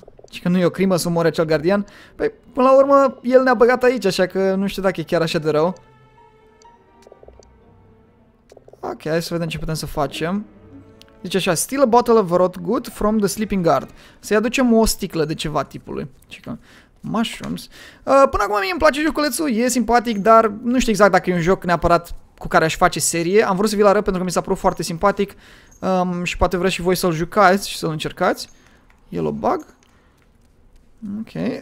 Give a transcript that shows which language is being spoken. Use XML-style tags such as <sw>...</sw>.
<ro>Și că nu e o crimă să omori acel gardian? Păi, până la urmă, el ne-a băgat aici, așa că nu știu dacă e chiar așa de rău. Ok, hai să vedem ce putem să facem. Zice așa,</ro> <en>steal a bottle of rot gut from the sleeping guard.</en> <ro>Să-i aducem o sticlă de ceva tipului. Cică.</ro> <en>Mushrooms.</en> <ro>Până acum mie îmi place joculețul, e simpatic, dar nu știu exact dacă e un joc neapărat... cu care aș face serie. Am vrut să vi-l arăt pentru că mi s-a părut foarte simpatic și poate vreți și voi să-l jucați și să-l încercați.</ro> <en>Yellow bug.</en> <ro>Ok.</ro>